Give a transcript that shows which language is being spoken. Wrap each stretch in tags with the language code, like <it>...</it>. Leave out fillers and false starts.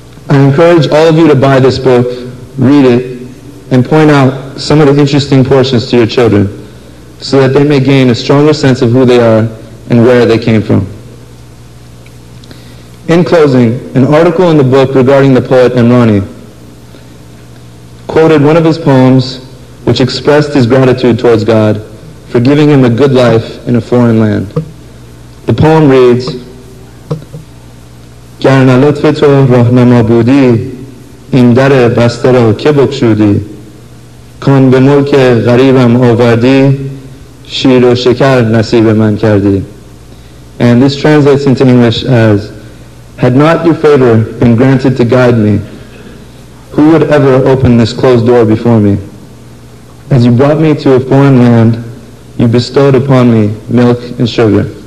<en>I encourage all of you to buy this book, read it, and point out some of the interesting portions to your children so that they may gain a stronger sense of who they are and where they came from. In closing, an article in the book regarding the poet Emrani quoted one of his poems which expressed his gratitude towards God for giving him a good life in a foreign land. The poem reads,</en> <fa>گر نه لطف تو راهنما بودی این در بسته را که بکشودی کان به ملک غریبم آوردی شیر و شکر نصیب من کردی.</fa> <en>And this translates into English as, had not your favor been granted to guide me, who would ever open this closed door before me? As you brought me to a foreign land, you bestowed upon me milk and sugar.</en>